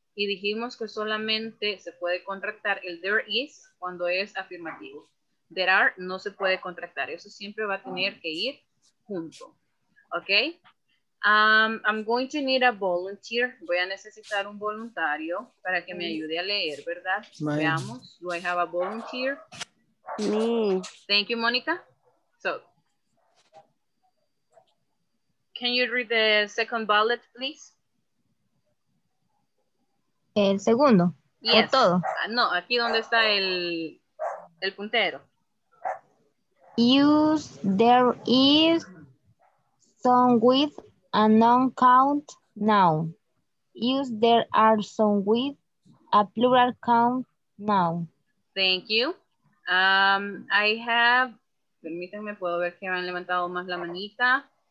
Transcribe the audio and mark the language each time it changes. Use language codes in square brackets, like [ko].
[es] Y dijimos que solamente se puede contractar el there is cuando es afirmativo. There are no se puede contractar. Eso siempre va a tener que ir junto. ¿Ok? [en] I'm going to need a volunteer. [es] Voy a necesitar un voluntario para que me ayude a leer, ¿verdad? [en] Mine. [es] Veamos. [en] Do I have a volunteer? Me. Thank you, Monica. So, can you read the second bullet, please? [es] El segundo. [en] Yes. [es] O todo. No, aquí donde está el puntero. [en] Use there is some with a non-count noun. Use there are some with a plural count noun. Thank you. [es] Permítanme, puedo ver que me han levantado más la manita.